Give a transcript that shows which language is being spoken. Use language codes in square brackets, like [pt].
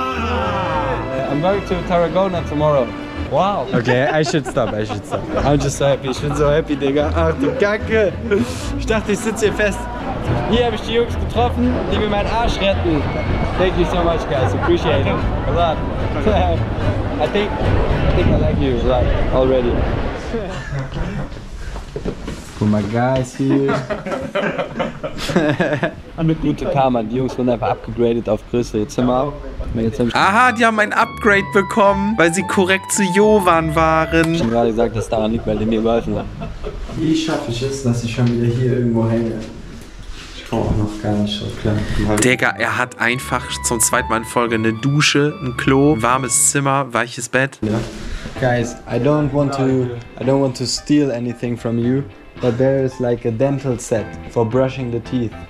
[en] I'm going to Tarragona tomorrow. Wow. Okay, I should stop. I'm just so happy. [de] Ich bin so happy, Digga. Ach du Kacke. Ich dachte, ich sitze hier fest. Hier habe ich die Jungs getroffen, die mir meinen Arsch retten. [en] Thank you so much, guys. Appreciate it. A lot. I think I like you a lot already. For my guys here. [de] Gute Karma, die Jungs wurden einfach upgegradet auf Größe. Jetzt sind wir auch. Jetzt haben Aha, die haben ein Upgrade bekommen, weil sie korrekt zu Jovan waren. Ich hab gerade gesagt, dass daran liegt, weil die mir geholfen haben. Wie schaffe ich es, dass ich schon wieder hier irgendwo hänge? Ich komme auch noch gar nicht so klar. Digga, er hat einfach zum zweiten Mal in Folge eine Dusche, ein Klo, warmes Zimmer, weiches Bett. Ja. [en] Guys, I don't want to steal anything from you, but there is like a dental set for brushing the teeth.